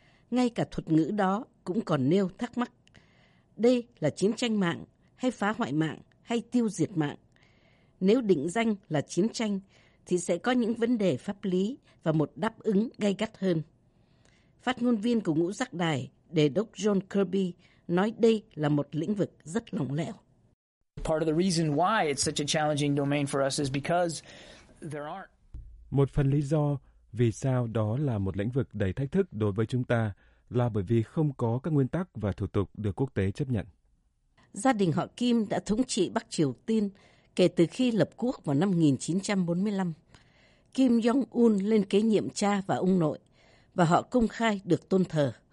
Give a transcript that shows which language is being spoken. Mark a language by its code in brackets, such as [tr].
[vi] Ngay cả thuật ngữ đó cũng còn nêu thắc mắc. Đây là chiến tranh mạng hay phá hoại mạng hay tiêu diệt mạng? nếu định danh là chiến tranh, thì sẽ có những vấn đề pháp lý và một đáp ứng gay gắt hơn. Phát ngôn viên của Ngũ Giác Đài, Đề đốc John Kirby, nói đây là một lĩnh vực rất lỏng lẻo. [en] Part of the reason why it's such a challenging domain for us is because there aren't. [vi] Một phần lý do vì sao đó là một lĩnh vực đầy thách thức đối với chúng ta là bởi vì không có các nguyên tắc và thủ tục được quốc tế chấp nhận. Gia đình họ Kim đã thống trị Bắc Triều Tiên kể từ khi lập quốc vào năm 1945. Kim Jong-un lên kế nhiệm cha và ông nội, và họ công khai được tôn thờ.